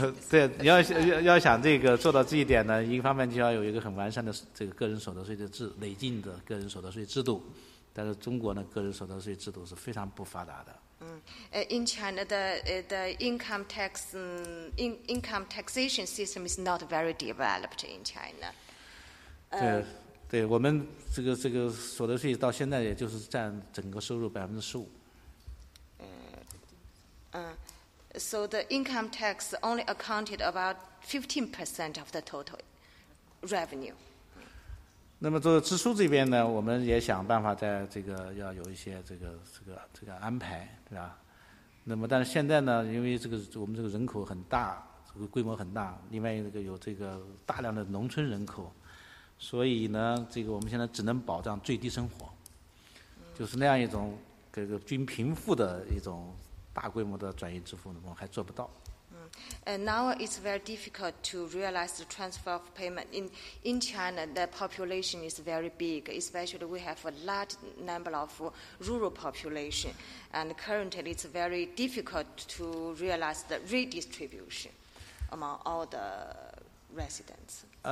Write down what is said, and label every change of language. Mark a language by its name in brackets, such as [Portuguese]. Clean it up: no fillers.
[Chinese] 对，你要想这个做到这一点呢，一方面就要有一个很完善的这个个人所得税的制累进的个人所得税制度，但是中国呢，个人所得税制度是非常不发达的。 [English] In China, the income tax income taxation system is not very developed in China. [Chinese] 对，我们这个所得税到现在也就是占整个收入15%。 [English] So the income tax only accounted about 15% of the total revenue. [Chinese] 那么做支出这边呢，我们也想办法在这个要有一些这个安排，对吧？那么但是现在呢，因为这个我们这个人口很大，这个规模很大，另外这个有这个大量的农村人口，所以呢，这个我们现在只能保障最低生活，就是那样一种这个均贫富的一种大规模的转移支付，我们还做不到。 [English] Now it's very difficult to realize the transfer of payment. In China, the population is very big, especially we have a large number of rural population. And currently, it's very difficult to realize the redistribution among all the residents.